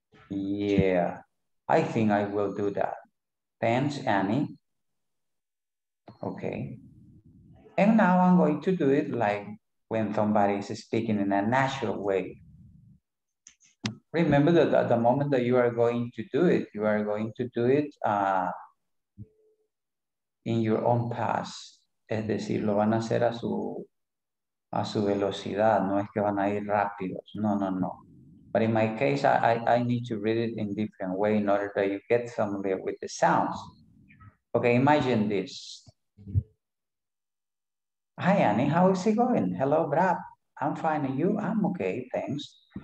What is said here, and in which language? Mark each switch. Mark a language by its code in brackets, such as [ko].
[en] Yeah, I think I will do that. Thanks, Annie. Okay. And now I'm going to do it like when somebody is speaking in a natural way. Remember that at the moment that you are going to do it, you are going to do it in your own pace. [es] Es decir, lo van a hacer a su velocidad. No es que van a ir rápidos. No, no, no. [en] But in my case, I need to read it in different way in order that you get familiar with the sounds. Okay, imagine this. Hi, Annie, how is it going? Hello, Brad. I'm fine, and you? I'm okay, thanks.